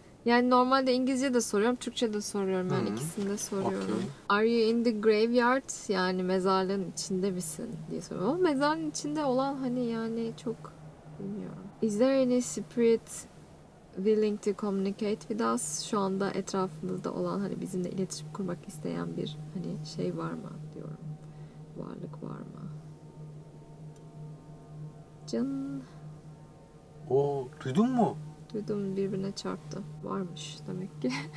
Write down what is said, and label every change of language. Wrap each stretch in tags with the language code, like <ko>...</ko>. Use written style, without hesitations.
<tr>Yani normalde İngilizce de soruyorum, Türkçe de soruyorum. Yani ikisini de Okey. soruyorum.</tr> <en>Are you in the graveyard?</en> <tr>Yani mezarlığın içinde misin diye soruyorum. Ama mezarlığın içinde olan hani yani çok bilmiyorum.</tr> <en>Is there any spirit willing to communicate with us?</en> <tr>Şu anda etrafımızda olan hani bizimle iletişim kurmak isteyen bir hani şey var mı diyorum. Varlık var mı? Can. O duydun mu? Duydum, birbirine çarptı. Varmış demek ki.</tr>